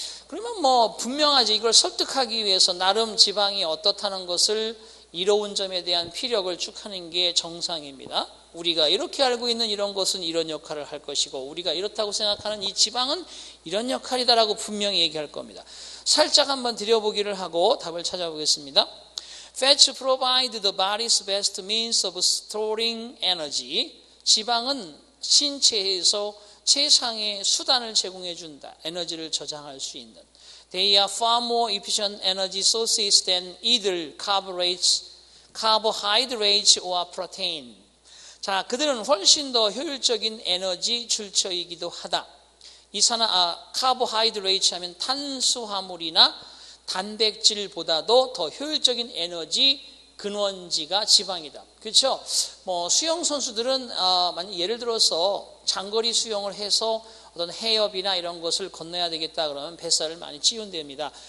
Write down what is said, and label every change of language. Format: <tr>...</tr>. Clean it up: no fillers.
<ko>그러면 뭐 분명하지 이걸 설득하기 위해서 나름 지방이 어떻다는 것을 이로운 점에 대한 피력을 쭉 하는 게 정상입니다. 우리가 이렇게 알고 있는 이런 것은 이런 역할을 할 것이고 우리가 이렇다고 생각하는 이 지방은 이런 역할이다라고 분명히 얘기할 겁니다. 살짝 한번 들여보기를 하고 답을 찾아보겠습니다.</ko> <en>Fats provide the body's best means of storing energy.</en> <ko>지방은 신체에서 최상의 수단을 제공해 준다. 에너지를 저장할 수 있는.</ko> <en>They are far more efficient energy sources than either carbohydrates or protein.</en> <ko>자, 그들은 훨씬 더 효율적인 에너지 출처이기도 하다. 카보하이드레이트 하면 탄수화물이나 단백질보다도 더 효율적인 에너지 근원지가 지방이다. 그렇죠? 뭐 수영 선수들은 만약 예를 들어서 장거리 수영을 해서 어떤 해협이나 이런 것을 건너야 되겠다 그러면 뱃살을 많이 찌운답니다.</ko>